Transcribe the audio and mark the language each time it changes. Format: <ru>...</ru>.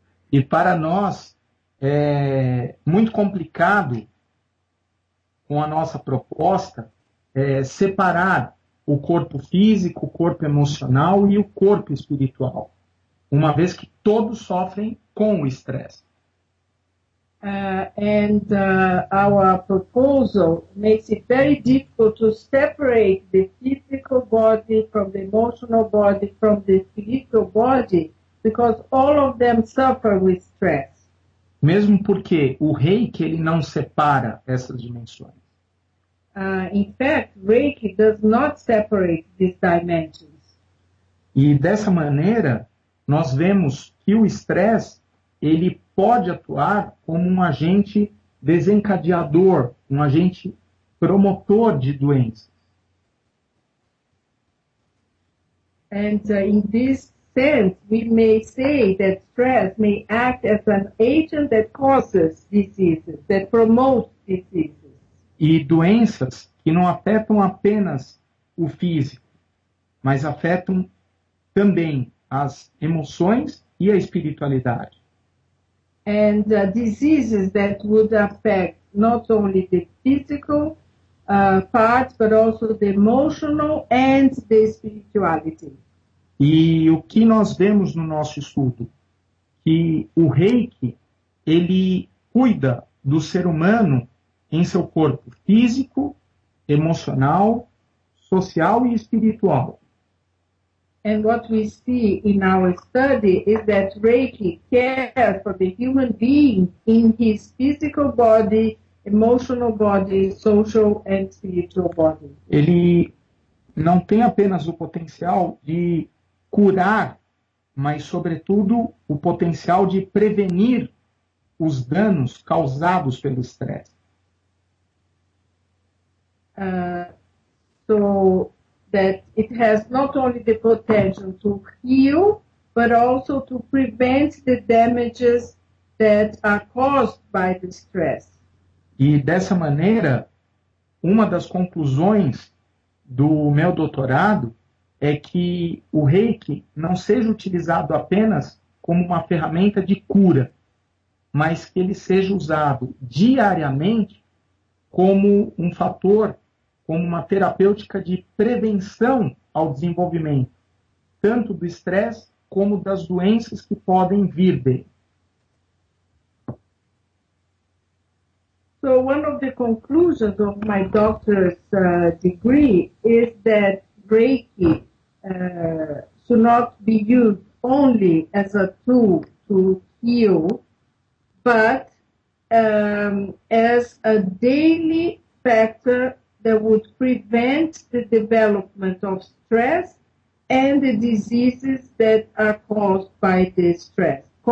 <pt>E para nós é muito complicado, com a nossa proposta, separar o corpo físico, o corpo emocional e o corpo espiritual, uma vez que todos sofrem com o estresse.</pt> <en>Our proposal makes it very difficult to separate the physical body from the emotional body from the spiritual body, because all of them suffer with stress.</en> <pt>Mesmo porque o Reiki, ele não separa essas dimensões.</pt> <en>In fact, Reiki does not separate these dimensions.</en> <pt>E dessa maneira, nós vemos que o estresse, ele pode atuar como um agente desencadeador, um agente promotor de doenças.</pt> <en>And in this sense, we may say that stress may act as an agent that causes diseases, that promotes diseases.</en> <pt>E doenças que não afetam apenas o físico, mas afetam também as emoções e a espiritualidade.</pt> <en>And diseases that would affect not only the physical part, but also the emotional and the spirituality.</en> <pt>E o que nós vemos no nosso estudo? Que o Reiki, ele cuida do ser humano em seu corpo físico, emocional, social e espiritual.</pt> <en>And what we see in our study is that Reiki cares for the human being in his physical body, emotional body, social and spiritual body.</en> <pt>Ele não tem apenas o potencial de curar, mas, sobretudo, o potencial de prevenir os danos causados pelo estresse.</pt> <en>So that it has not only the potential to heal, but also to prevent the damages that are caused by the stress.</en> <pt>E dessa maneira, uma das conclusões do meu doutorado é que o Reiki não seja utilizado apenas como uma ferramenta de cura, mas que ele seja usado diariamente como um fator, como uma terapêutica de prevenção ao desenvolvimento, tanto do estresse como das doenças que podem vir dele.</pt> <en>So one of the conclusions of my doctor's degree is that Reiki should not be used only as a tool to heal, but as a daily factor that would prevent the development of stress and the diseases that are caused by the stress.</en>